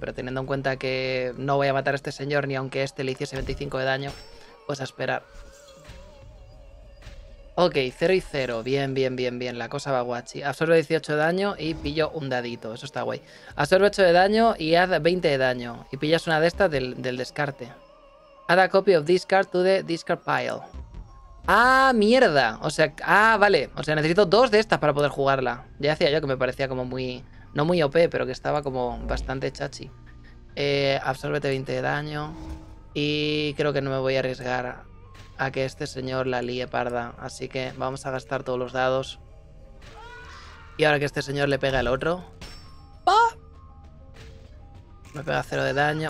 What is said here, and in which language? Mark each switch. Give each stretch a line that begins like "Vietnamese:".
Spanish: Pero teniendo en cuenta que no voy a matar a este señor ni aunque este le hiciese 25 de daño, pues a esperar. Ok, 0 y 0. Bien. La cosa va guachi. Absorbe 18 de daño y pillo un dadito. Eso está guay. Absorbe 8 de daño y haz 20 de daño. Y pillas una de estas del descarte.
English: Add a copy of this card to the discard pile.
Spanish: ¡Ah, mierda! O sea, vale. O sea, necesito 2 de estas para poder jugarla. Ya decía yo que me parecía como muy... No muy OP, pero que estaba como bastante chachi. Absórbete 20 de daño. Y creo que no me voy a arriesgar a que este señor la líe parda. Así que vamos a gastar todos los dados. Y ahora que este señor le pega al otro... ¡Ah! Me pega 0 de daño.